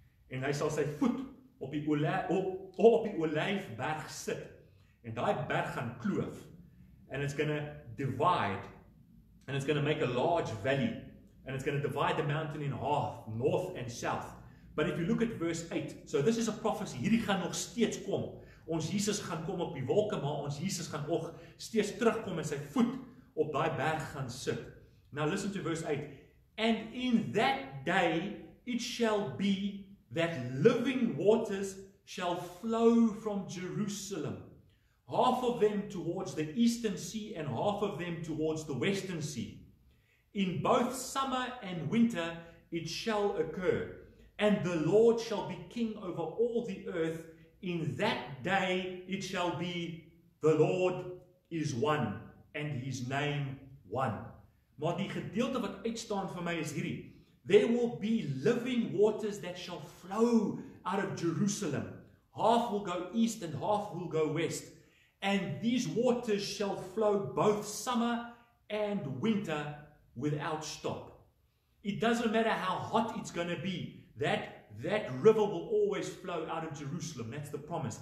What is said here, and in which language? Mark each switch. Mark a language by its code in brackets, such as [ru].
[af] En hy sal sy voet op die olyfberg sit. En daai berg gaan kloof. [en] And it's going to divide and it's going to make a large valley and it's going to divide the mountain in half, north and south. But if you look at verse 8, so this is a prophecy. [af] Hierdie gaan nog steeds kom. Ons Jesus gaan kom op die wolke, maar ons Jesus gaan nog steeds terugkom en sy voet op daai berg gaan sit. [en] Now listen to verse 8. And in that day it shall be that living waters shall flow from Jerusalem, half of them towards the eastern sea and half of them towards the western sea. In both summer and winter it shall occur, and the Lord shall be king over all the earth. In that day it shall be, the Lord is one, and his name one. [af] Maar die gedeelte wat uitstaan vir my is hierdie. [en] There will be living waters that shall flow out of Jerusalem. Half will go east and half will go west. And these waters shall flow both summer and winter without stop. It doesn't matter how hot it's going to be. That river will always flow out of Jerusalem. That's the promise.